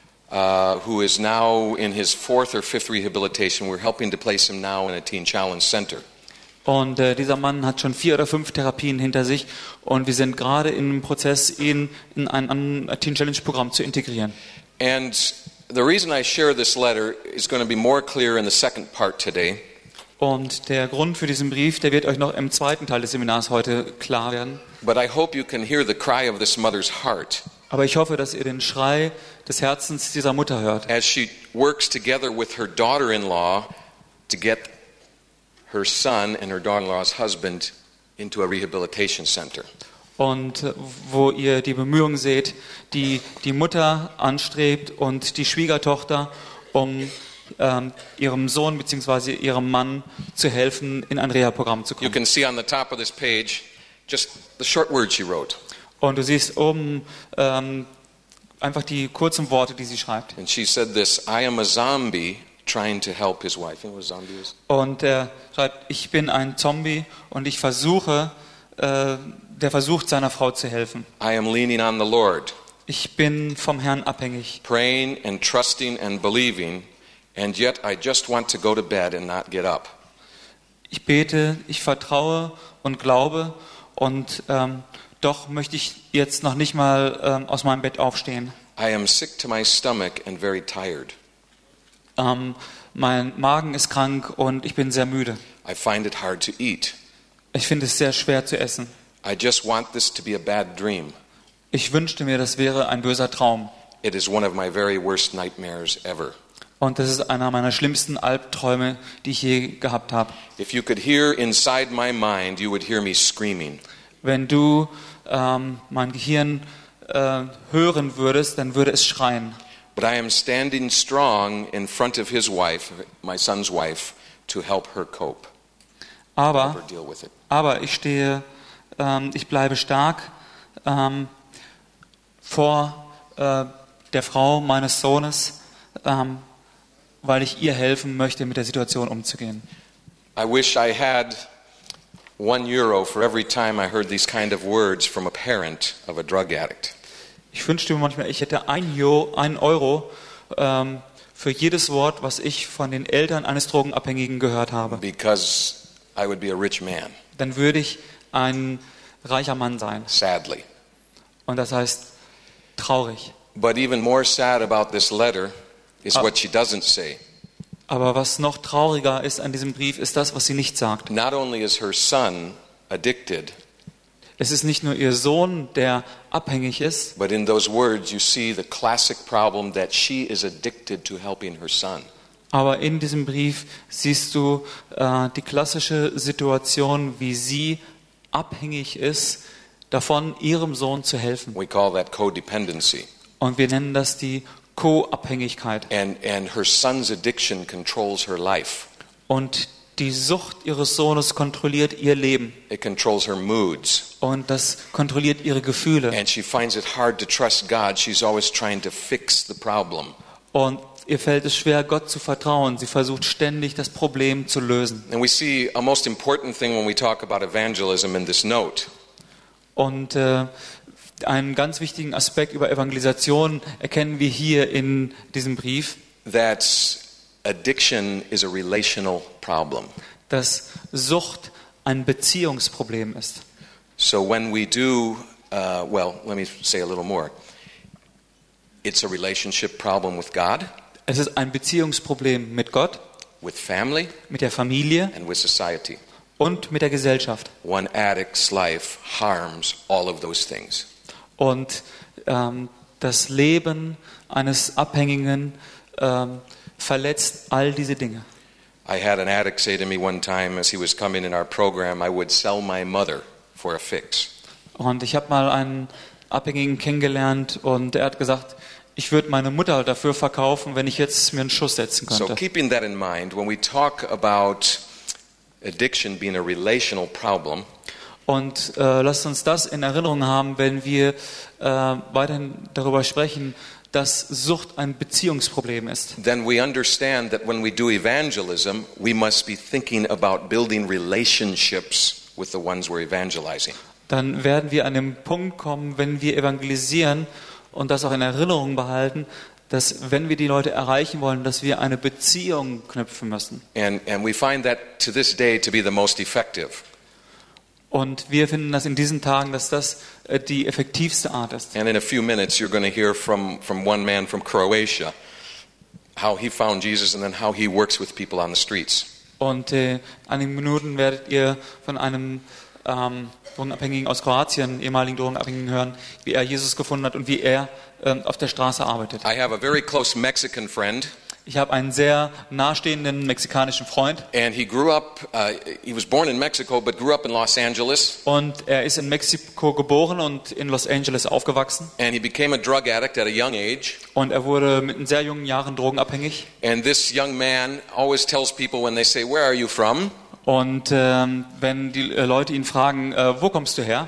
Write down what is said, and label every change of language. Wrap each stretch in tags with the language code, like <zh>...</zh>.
<en>Who is now in his 4th or 5th rehabilitation. We're helping to place him now in a Teen Challenge center.</en> <de>Und dieser Mann hat schon 4 oder 5 Therapien hinter sich, und wir sind gerade im Prozess, ihn in ein Teen Challenge Programm zu integrieren.</de> <en>And the reason I share this letter is going to be more clear in the second part today.</en> <de>Und der Grund für diesen Brief, der wird euch noch im zweiten Teil des Seminars heute klar werden.</de> <en>But I hope you can hear the cry of this mother's heart.</en> <de>Aber ich hoffe, dass ihr den Schrei des Herzens dieser Mutter hört.</de> <en>As she works together with her daughter-in-law to get her son and her daughter-in-law's husband into a rehabilitation center.</en> <de>Und wo ihr die Bemühungen seht, die Mutter anstrebt und die Schwiegertochter, um ihrem Sohn bzw. ihrem Mann zu helfen, in ein Reha-Programm zu kommen.</de> <en>You can see on the top of this page just the short words she wrote.</en> <de>Und du siehst oben einfach die kurzen Worte, die sie schreibt.</de> <en>And she said this: I am a zombie trying to help his wife. You know what a zombie is?</en> <de>Und er schreibt: Ich bin ein Zombie und ich versuche, der versucht, seiner Frau zu helfen.</de> <en>I am leaning on the Lord.</en> <de>Ich bin vom Herrn abhängig.</de> <en>Praying and trusting and believing, and yet I just want to go to bed and not get up.</en> <de>Ich bete, ich vertraue und glaube und doch möchte ich jetzt noch nicht mal aus meinem Bett aufstehen.</de> <en>I am sick to my stomach and very tired.</en> <de>Mein Magen ist krank und ich bin sehr müde.</de> <en>I find it hard to eat.</en> <de>Ich finde es sehr schwer zu essen.</de> <en>I just want this to be a bad dream.</en> <de>Ich wünschte mir, das wäre ein böser Traum.</de> <en>It is one of my very worst nightmares ever.</en> <de>Und das ist einer meiner schlimmsten Albträume, die ich je gehabt habe.</de> <en>If you could hear inside my mind, you would hear me screaming.</en> <de>Wenn du mein Gehirn hören würdest, dann würde es schreien.</de> <en>But I am standing strong in front of his wife, my son's wife, to help her cope.</en> <de>Aber,</de> <en>help her deal with it.</en> <de>Aber ich stehe, ich bleibe stark vor der Frau meines Sohnes, weil ich ihr helfen möchte, mit der Situation umzugehen.</de> <en>I wish I had 1 Euro for every time I heard these kind of words from a parent of a drug addict.</en> <de>Ich wünschte mir manchmal, ich hätte ein Euro für jedes Wort, was ich von den Eltern eines Drogenabhängigen gehört habe.</de> <en>Because I would be a rich man.</en> <de>Dann würde ich ein reicher Mann sein.</de> <en>Sadly.</en> <de>Und das heißt traurig.</de> <en>But even more sad about this letter is what she doesn't say.</en> <de>Aber was noch trauriger ist an diesem Brief, ist das, was sie nicht sagt.</de> <en>Not only is her son addicted.</en> <de>Es ist nicht nur ihr Sohn, der abhängig ist.</de> <en>But in those words you see the classic problem that she is addicted to helping her son.</en> <de>Aber in diesem Brief siehst du die klassische Situation, wie sie abhängig ist davon, ihrem Sohn zu helfen.</de> <en>We call that codependency.</en> <de>Und wir nennen das die Co-Abhängigkeit.</de> <en>And her son's addiction controls her life.</en> <de>Und die Sucht ihres Sohnes kontrolliert ihr Leben.</de> <en>It controls her moods.</en> <de>Und das kontrolliert ihre Gefühle.</de> <en>And she finds it hard to trust God. She's always trying to fix the problem.</en> <de>Und ihr fällt es schwer, Gott zu vertrauen. Sie versucht ständig, das Problem zu lösen.</de> <en>And we see a most important thing when we talk about evangelism in this note.</en> <de>Und einen ganz wichtigen Aspekt über Evangelisation erkennen wir hier in diesem Brief.</de> <en>That's addiction is a relational problem.</en> <de>Dass Sucht ein Beziehungsproblem ist.</de> <en>So when we do, let me say a little more. It's a relationship problem with God.</en> <de>Es ist ein Beziehungsproblem mit Gott.</de> <en>With family.</en> <de>Mit der Familie.</de> <en>And with society.</en> <de>Und mit der Gesellschaft.</de> <en>One addict's life harms all of those things.</en> <de>Und das Leben eines Abhängigen verletzt all diese Dinge.</de> <en>I had an addict say to me one time as he was coming in our program, I would sell my mother for a fix.</en> <de>Und ich habe mal einen Abhängigen kennengelernt und er hat gesagt, ich würde meine Mutter dafür verkaufen, wenn ich jetzt mir einen Schuss setzen könnte.</de> <en>So keeping that in mind, when we talk about addiction being a relational problem.</en> <de>Und lasst uns das in Erinnerung haben, wenn wir weiterhin darüber sprechen, dass Sucht ein Beziehungsproblem ist.</de> <en>Then we understand that when we do evangelism, we must be thinking about building relationships with the ones we're evangelizing.</en> <de>Dann werden wir an den Punkt kommen, wenn wir evangelisieren und das auch in Erinnerung behalten, dass wenn wir die Leute erreichen wollen, dass wir eine Beziehung knüpfen müssen.</de> <en>And we find that to this day to be the most effective.</en> <de>Und wir finden das in diesen Tagen, dass das die effektivste Art ist.</de> <en>And in a few minutes you're going to hear from one man from Croatia how he found Jesus and then how he works with people on the streets.</en> <de>Und in einigen Minuten werdet ihr von einem Drogenabhängigen aus Kroatien, ehemaligen Drogenabhängigen hören, wie er Jesus gefunden hat und wie er auf der Straße arbeitet.</de> <en>I have a very close Mexican friend.</en> <de>Ich habe einen sehr nahestehenden mexikanischen Freund.</de> <en>And he grew up, he was born in Mexico, but grew up in Los Angeles.</en> <de>Und er ist in Mexiko geboren und in Los Angeles aufgewachsen.</de> <en>And he became a drug addict at a young age.</en> <de>Und er wurde mit sehr jungen Jahren drogenabhängig.</de> <en>And this young man always tells people when they say, "Where are you from?"</en> <de>Und wenn die Leute ihn fragen, wo kommst du her?</de>